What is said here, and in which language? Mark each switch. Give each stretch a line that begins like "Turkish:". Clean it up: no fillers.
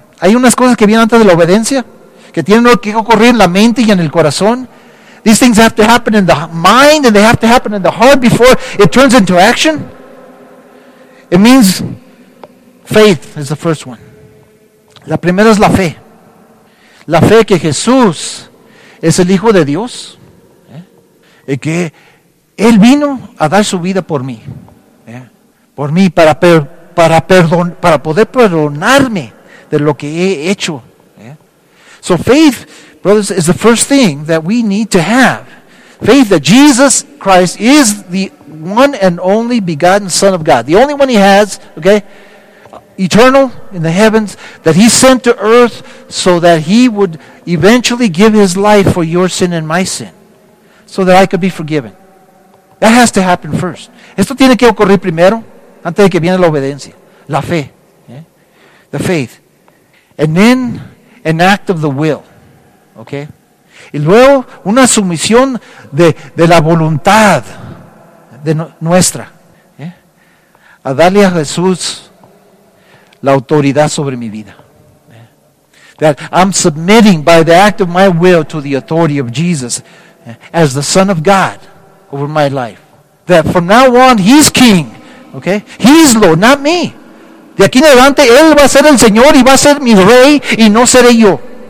Spanish: Hay unas cosas que vienen antes de la obediencia, que tienen que ocurrir en la mente y en el corazón.
English: These things have to happen in the mind and they have to happen in the heart before it turns into action. It means faith is the first one.
Spanish: La primera es la fe. La fe que Jesús es el Hijo de Dios. Y que Él vino a dar su vida por mí. Por mí, para poder perdonarme de lo que he hecho.
English: So faith, brothers, is the first thing that we need to have. Faith that Jesus Christ is the one and only begotten Son of God. The only one he has, okay, eternal in the heavens, that he sent to earth so that he would eventually give his life for your sin and my sin, so that I could be forgiven. That has to happen first.
Spanish: Esto tiene que ocurrir primero, antes de que viene la obediencia. La fe.
English: The faith. And then an act of the will. Okay?
Spanish: Y luego, una sumisión de la voluntad de nuestra. A darle a Jesús la autoridad sobre mi vida.
English: That I'm submitting by the act of my will to the authority of Jesus as the Son of God over my life. That from now on, He's King. Okay? He's Lord, not me.
Spanish: De aquí en adelante, Él va a ser el Señor y va a ser mi Rey y no seré yo.